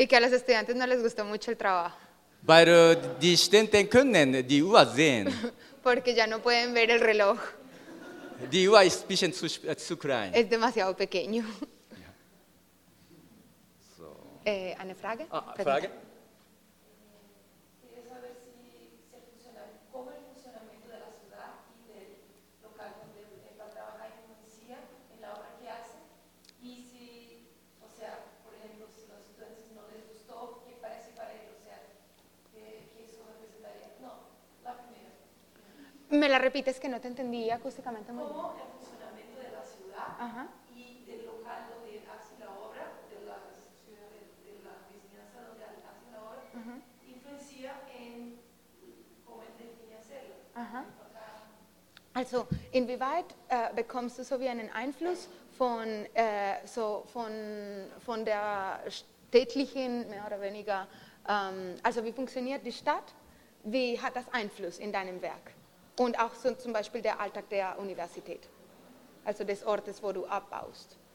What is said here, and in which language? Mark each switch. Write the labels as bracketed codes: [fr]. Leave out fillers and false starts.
[es] Y que a los estudiantes no les gustó mucho el trabajo. [de] Weil die Studenten können die Uhr sehen. [es] Porque ya no pueden ver el reloj. [de] Die Uhr ist ein bisschen zu klein. [es] Es demasiado pequeño. Ja. [de] So. Eine Frage? Frage? [es] Me la repites que no te entendí acústicamente muy bien. ¿Cómo el funcionamiento de la ciudad y del local donde hace la obra, de la ciudad de la enseñanza donde hace la obra, influencia en cómo él define hacerlo? [de] Also, inwieweit bekommst du so wie einen Einfluss von der städtlichen, mehr oder weniger, also wie funktioniert die Stadt? Wie hat das Einfluss in deinem Werk? Und auch so zum Beispiel der Alltag der Universität, also des Ortes, wo du abbaust.